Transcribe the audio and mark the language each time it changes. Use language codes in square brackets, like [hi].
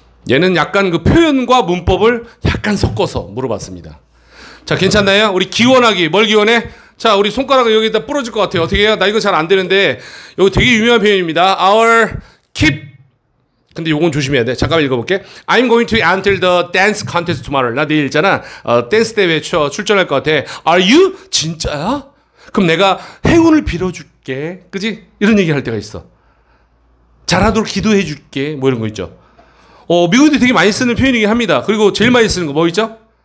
[ko] 얘는 약간 그 표현과 문법을 약간 섞어서 물어봤습니다. 자, 괜찮나요? 우리 기원하기. 뭘 기원해? 자, 우리 손가락은 여기다 부러질 것 같아요. 어떻게 해요? 나 이거 잘 안 되는데. 여기 되게 유명한 표현입니다. [en] Our keep. [ko] 근데 요건 조심해야 돼. 잠깐만 읽어볼게. [en] I'm going to enter the dance contest tomorrow. [ko] 나 내일 있잖아. 댄스 대회에 출전할 것 같아. [en] Are you? [ko] 진짜야? 그럼 내가 행운을 빌어줄게. 그지? 이런 얘기 할 때가 있어. 잘하도록 기도해줄게. 뭐 이런 거 있죠. 미국인들이 되게 많이 쓰는 표현이긴 합니다. 그리고 제일 많이 쓰는 거 뭐 있죠?